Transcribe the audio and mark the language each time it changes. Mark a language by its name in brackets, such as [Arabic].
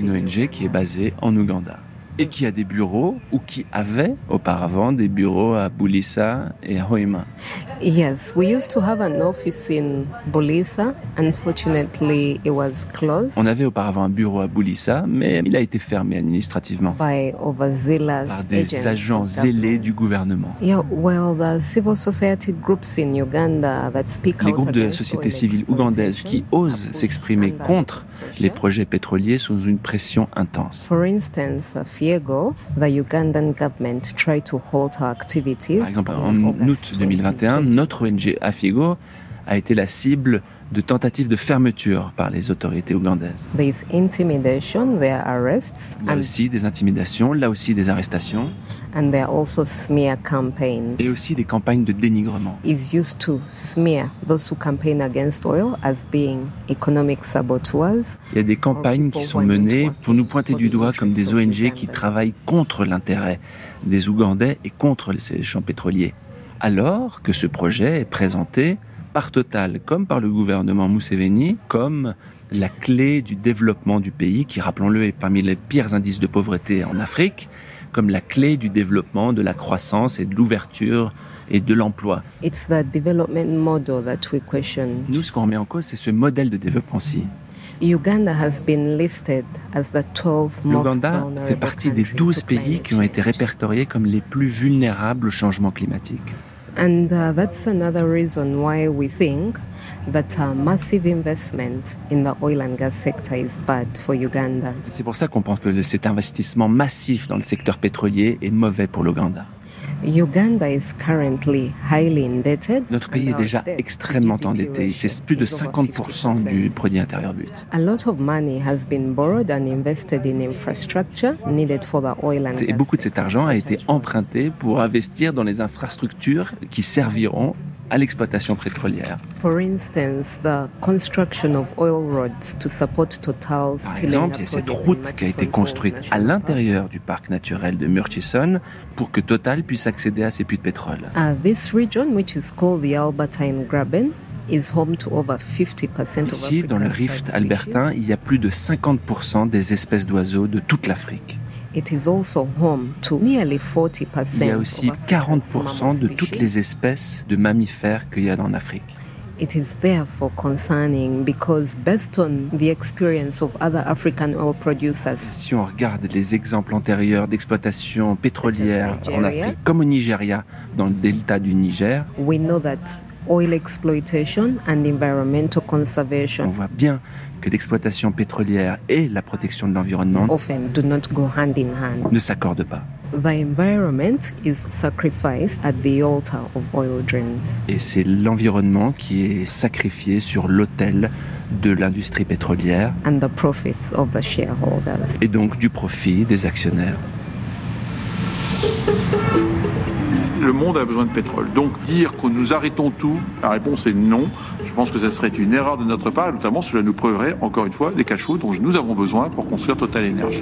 [French] Une ONG qui est basée en Ouganda et qui a des bureaux ou qui avait auparavant des bureaux à Bulisa et à Hoima. [English] Yes, we used to have an office in Bulisa. Unfortunately, it was closed. [French] On avait auparavant un bureau à Bulisa, mais il a été fermé administrativement [English] by overzealous [French] par des agents zélés du gouvernement. [English] Yeah, well, the civil society groups in Uganda that speak out. [French] Les groupes de la société civile ougandaise qui osent s'exprimer contre les projets pétroliers sous une pression intense. [English] For instance, a few ago, the Ugandan government tried to halt our activities. [French] Par exemple, en août 2021. Notre ONG Afigo a été la cible de tentatives de fermeture par les autorités ougandaises. [English] These intimidation, their arrests, [French] là aussi des intimidations, là aussi des arrestations. [English] And there are also smear campaigns. [French] Et aussi des campagnes de dénigrement. [English] It's used to smear those who campaign against oil as being economic saboteurs. [French] Il y a des campagnes qui sont menées pour nous pointer du doigt comme des ONG qui travaillent contre l'intérêt des Ougandais et contre ces champs pétroliers. Alors que ce projet est présenté par Total, comme par le gouvernement Museveni, comme la clé du développement du pays, qui, rappelons-le, est parmi les pires indices de pauvreté en Afrique, comme la clé du développement, de la croissance et de l'ouverture et de l'emploi. [English] It's the development model that we question. [French] Nous, ce qu'on remet en cause, c'est ce modèle de développement-ci. [English] Uganda has been listed as the 12 most [French] Uganda fait partie des 12 pays qui ont été répertoriés comme les plus vulnérables au changement climatique. [English] And that's another reason why we think that a massive investment in the oil and gas sector is bad for Uganda. [French] C'est pour ça qu'on pense que cet investissement massif dans le secteur pétrolier est mauvais pour l'Ouganda. [English] Uganda is currently highly indebted. [French] Notre pays est déjà extrêmement endetté. C'est plus de 50% du produit intérieur brut. [English] A lot of money has been borrowed and invested in infrastructure needed for the oil and gas. [French] Et beaucoup de cet argent a été emprunté pour investir dans les infrastructures qui serviront à l'exploitation pétrolière. [English] For instance, the construction of oil roads to support Total's. [French] Par exemple, il y a cette route qui a été construite à l'intérieur du parc naturel de Murchison pour que Total puisse accéder à ses puits de pétrole. [English] This region, which is called the Albertine Graben, is home to over 50% of. [French] Ici, dans le rift albertin, il y a plus de 50% des espèces d'oiseaux de toute l'Afrique. [English] It is also home to nearly 40%. [French] Il y a aussi 40% de toutes les espèces de mammifères qu'il y a en Afrique. [English] It is therefore concerning because based on the experience of other African oil producers. [French] Si on regarde les exemples antérieurs d'exploitation pétrolière en Afrique, comme au Nigeria, dans le delta du Niger, [English] we know that oil exploitation and environmental conservation. [French] On voit bien que l'exploitation pétrolière et la protection de l'environnement [English] often do not go hand in hand. [French] Ne s'accordent pas. [English] The environment is sacrificed at the altar of oil dreams. [French] Et c'est l'environnement qui est sacrifié sur l'autel de l'industrie pétrolière [English] and the profits of the shareholders. [French] Et donc du profit des actionnaires. Le monde a besoin de pétrole. Donc dire que nous arrêtons tout, la réponse est non. Je pense que ce serait une erreur de notre part, notamment cela nous priverait, encore une fois, des cache-coûts dont nous avons besoin pour construire Total Energy.